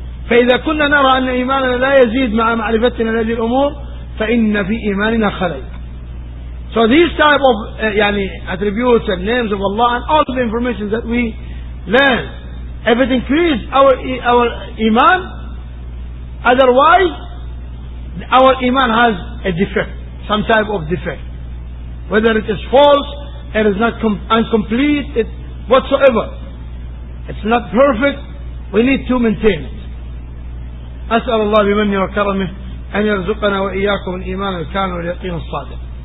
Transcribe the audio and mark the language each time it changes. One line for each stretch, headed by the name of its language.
Arabic: فإذا كنا نرى أن إيماننا لا يزيد مع معرفتنا لهذه الأمور فإن في إيماننا خلل.
English: So these type of يعني attributes and names of Allah and all the information that we learn, if it increases our iman, otherwise our iman has a defect, some type of defect, whether it is false, it is not incomplete, it whatsoever, it's not perfect, we need to maintain it.
Arabic: أسأل الله بمنه وكرمه أن يرزقنا وإياكم الإيمان الكامل واليقين الصادق.